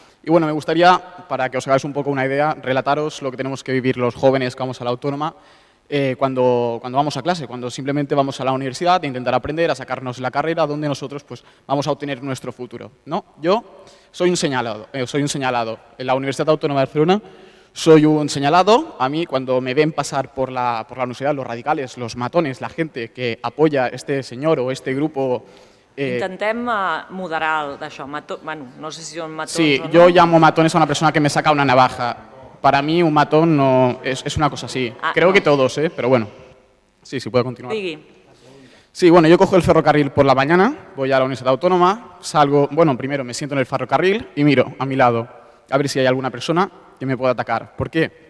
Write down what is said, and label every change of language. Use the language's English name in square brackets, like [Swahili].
[Spanish] Y bueno, me gustaría, para que os hagáis un poco una idea, relataros lo que tenemos que vivir los jóvenes que vamos a la autónoma cuando vamos a clase, cuando simplemente vamos a la universidad a intentar aprender, a sacarnos la carrera, donde nosotros pues, vamos a obtener nuestro futuro, ¿no? Yo soy un señalado. En la Universidad Autónoma de Barcelona soy un señalado. A mí, cuando me ven pasar por la universidad, los radicales, los matones, la gente que apoya este señor o este grupo... [Catalan] Intentem moderar d'això, bueno, no sé si són matons sí, o no. [Spanish] Sí, jo llamo matones a una persona que me saca una navaja. Para mí un matón no, es una cosa así. Creo que todos, pero bueno. Sí, sí, puedo continuar. [Catalan] Digui. [Spanish] Sí, bueno, yo cojo el ferrocarril por la mañana, voy a la Universidad Autónoma, salgo, bueno, primero me siento en el ferrocarril y miro a mi lado a ver si hay alguna persona que me pueda atacar. ¿Por qué?